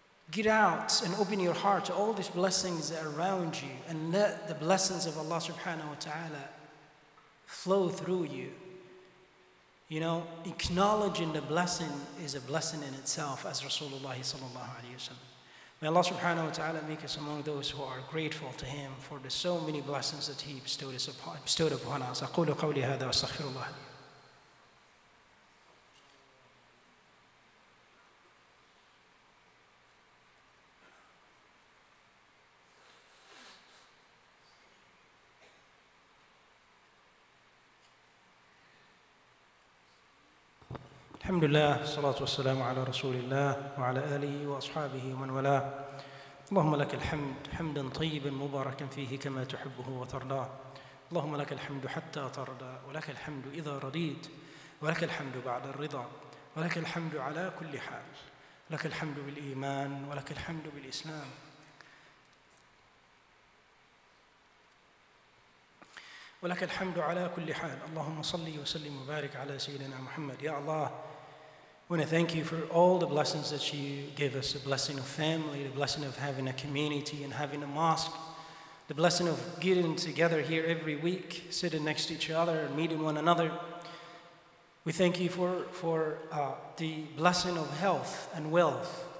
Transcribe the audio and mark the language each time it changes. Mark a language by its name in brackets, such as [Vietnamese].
[English] Get out and open your heart to all these blessings around you and let the blessings of Allah subhanahu wa ta'ala flow through you. You know, acknowledging the blessing is a blessing in itself, as Rasulullah sallallahu alayhi wa sallam. May Allah subhanahu wa ta'ala make us among those who are grateful to Him for the so many blessings that He bestowed upon us. [Arabic] أَقُولُ قَوْلِ هَذَا وَاسْتَغْفِرُ اللَّهَ لِي الحمد لله والصلاة والسلام على رسول الله وعلى آله وأصحابه ومن والاه اللهم لك الحمد حمدا طيبا مباركا فيه كما تحبه وترضاه اللهم لك الحمد حتى ترضى ولك الحمد إذا رضيت ولك الحمد بعد الرضا ولك الحمد على كل حال لك الحمد بالإيمان ولك الحمد بالإسلام ولك الحمد على كل حال اللهم صلي وسلم وبارك على سيدنا محمد يا الله. [English] We want to thank you for all the blessings that you give us, the blessing of family, the blessing of having a community and having a mosque, the blessing of getting together here every week, sitting next to each other, meeting one another. We thank you for the blessing of health and wealth.